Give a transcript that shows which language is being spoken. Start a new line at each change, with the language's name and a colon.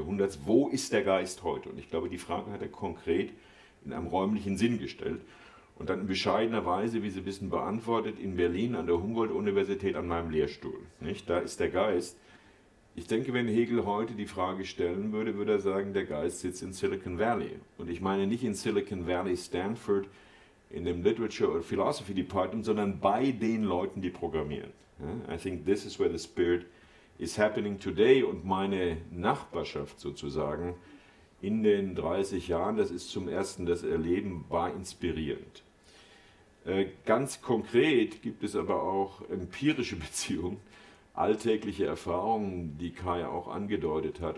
German: Jahrhunderts, wo ist der Geist heute? Und ich glaube, die Frage hat er konkret in einem räumlichen Sinn gestellt und dann in bescheidener Weise, wie Sie wissen, beantwortet, in Berlin an der Humboldt-Universität an meinem Lehrstuhl. Nicht? Da ist der Geist. Ich denke, wenn Hegel heute die Frage stellen würde, würde er sagen, der Geist sitzt in Silicon Valley. Und ich meine nicht in Silicon Valley, Stanford, in dem
English: Literature or Philosophy Department,
German: sondern bei den Leuten, die programmieren.
English: I think this is where the spirit is happening today.
German: Und meine Nachbarschaft sozusagen in den 30 Jahren, das ist zum ersten das Erleben, war inspirierend. Ganz konkret gibt es aber auch empirische Beziehungen, alltägliche Erfahrungen, die Kai auch angedeutet hat.